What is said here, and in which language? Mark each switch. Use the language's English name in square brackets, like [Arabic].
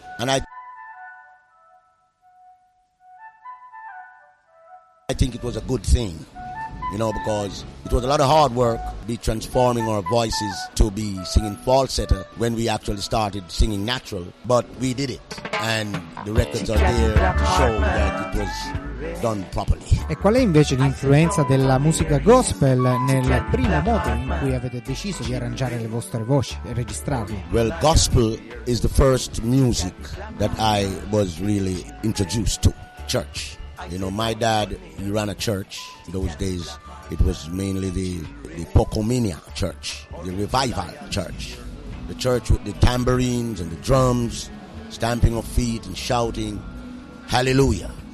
[English] And I think it was a good thing, you know, because it was a lot of hard work be transforming our voices to be singing falsetto when we actually started singing natural, but we did it, and the records are there to show that it was done properly. [Italian] E qual è invece l'influenza della musica gospel nel primo modo in cui avete deciso di arrangiare le vostre voci e registrarle? [English] Well, gospel is the first music that I was really introduced to, church. You know, my dad, he ran a church. In those days, it was mainly the Pocominia church, the revival church. The church with the tambourines and the drums, stamping of feet and shouting, hallelujah.